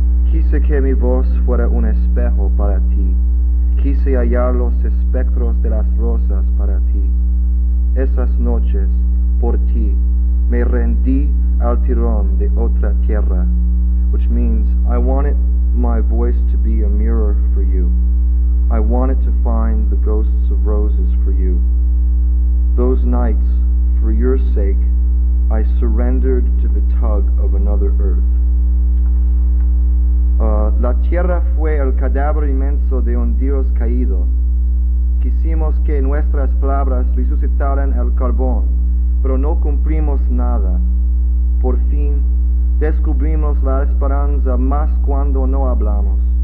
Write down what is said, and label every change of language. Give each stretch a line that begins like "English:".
Spanish: Quise que mi voz fuera un espejo para ti. Quise hallar los espectros de las rosas para ti. Esas noches, por ti, me rendí al tirón de otra tierra.
English: Which means, I wanted my voice to be a mirror for you. I wanted to find the ghosts of roses for you. Those nights, for your sake, I surrendered to the tug of another earth.
Spanish: La tierra fue el cadáver inmenso de un dios caído. Quisimos que nuestras palabras resucitaran el carbón, pero no cumplimos nada. Por fin, descubrimos la esperanza más cuando no hablamos.